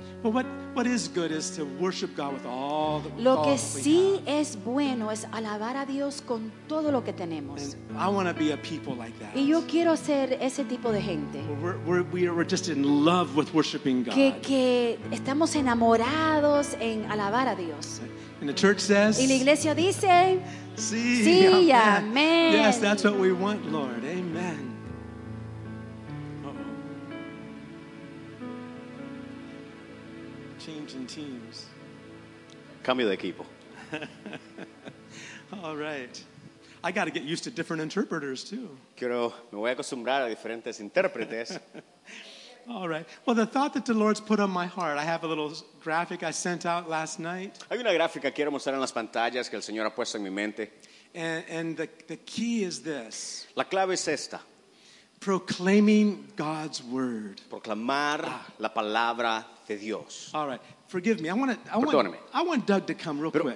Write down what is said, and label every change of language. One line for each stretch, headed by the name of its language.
English: But what is good is to worship God with all that we have.
Spanish: Lo que sí es bueno es alabar a Dios con todo lo que tenemos.
English: And I want to be a people like that.
Spanish: Y yo quiero ser ese tipo de gente.
English: We're just in love with worshiping God.
Spanish: Que estamos enamorados en alabar a Dios.
English: And the church says,
Spanish: y la iglesia dice, sí, sí, amén.
English: Yes, that's what we want, Lord. Amen. Changing teams.
Spanish: Cambio de equipo.
English: All right. I got to get used to different interpreters too.
Spanish: Quiero, me voy a acostumbrar a diferentes intérpretes.
English: All right. Well, the thought that the Lord's put on my heart, I have a little graphic I sent out last night.
Spanish: Hay una gráfica que quiero mostrar en las pantallas que el Señor ha puesto en mi mente.
English: And the key is this.
Spanish: La clave es esta.
English: Proclaiming God's word.
Spanish: Proclamar la palabra de Dios.
English: All right. Forgive me. I want Doug to come real quick.